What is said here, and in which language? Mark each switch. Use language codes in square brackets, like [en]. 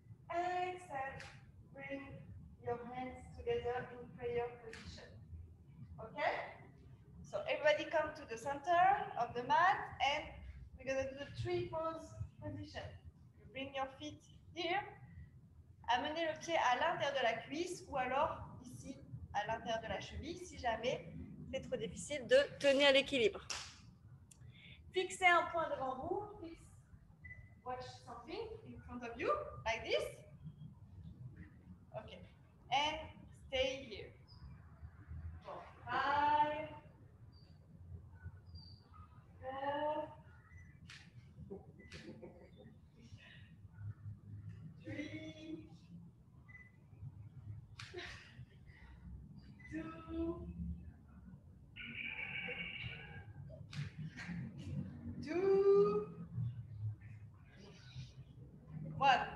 [en] Exhale, bring your hands together in prayer position. Okay? So everybody come to the center of the mat and we're gonna do the three pose position. You bring your feet here. [fr] Amenez le pied à l'intérieur de la cuisse ou alors ici, à l'intérieur de la cheville si jamais c'est trop difficile de tenir l'équilibre. Fixez un point devant vous. [en] Watch something in front of you, like this. Okay, and stay here. Four, five, three, two, one.